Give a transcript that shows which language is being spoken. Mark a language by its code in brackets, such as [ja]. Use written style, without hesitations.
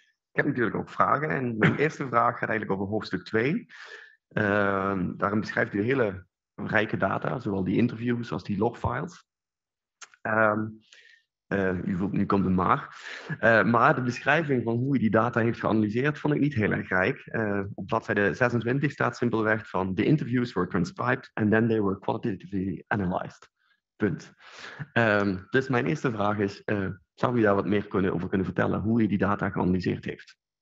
[nl] Ik heb natuurlijk ook vragen. En mijn eerste vraag gaat eigenlijk over hoofdstuk 2. Daarin beschrijft u hele rijke data, zowel die interviews als die logfiles. U voelt nu komt een maar. Maar de beschrijving van hoe u die data heeft geanalyseerd vond ik niet heel erg rijk. Op bladzijde 26 staat simpelweg van [en] the interviews were transcribed and then they were qualitatively analyzed. [nl] Punt. Dus mijn eerste vraag is, zou u daar wat meer over kunnen vertellen hoe u die data geanalyseerd heeft?